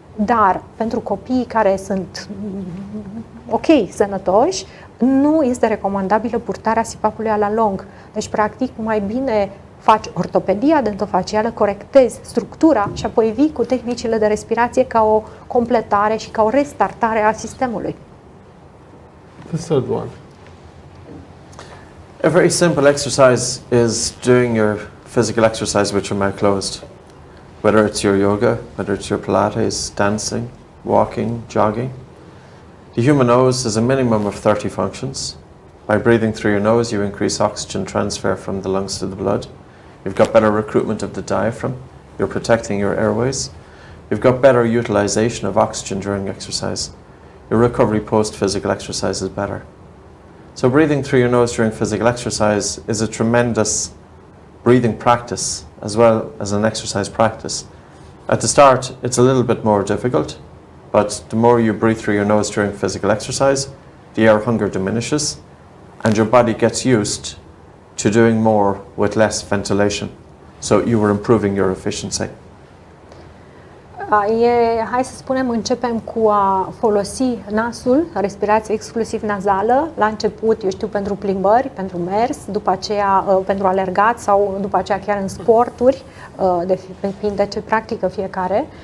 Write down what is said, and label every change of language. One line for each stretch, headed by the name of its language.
Romanian: Dar pentru copiii care sunt ok, sănătoși, nu este recomandabilă purtarea CPAP-ului la lung. Deci, practic, mai bine faci ortopedia dentofacială, corectezi structura și apoi vii cu tehnicile de respirație ca o completare și ca o restartare a sistemului.
English: Third one. A very simple exercise is doing your physical exercise with your mouth closed. Whether it's your yoga, whether it's your Pilates, dancing, walking, jogging. The human nose has a minimum of 30 functions. By breathing through your nose, you increase oxygen transfer from the lungs to the blood. You've got better recruitment of the diaphragm. You're protecting your airways. You've got better utilization of oxygen during exercise. Your recovery post-physical exercise is better. So breathing through your nose during physical exercise is a tremendous breathing practice as well as an exercise practice. At the start, it's a little bit more difficult, but the more you breathe through your nose during physical exercise, the air hunger diminishes, and your body gets used to doing more with less ventilation. So you are improving your efficiency.
Romanian: Hai să spunem, începem cu a folosi nasul, respirație exclusiv nazală, la început, eu știu, pentru plimbări, pentru mers, după aceea pentru alergat sau după aceea chiar în sporturi, depinde ce practică fiecare.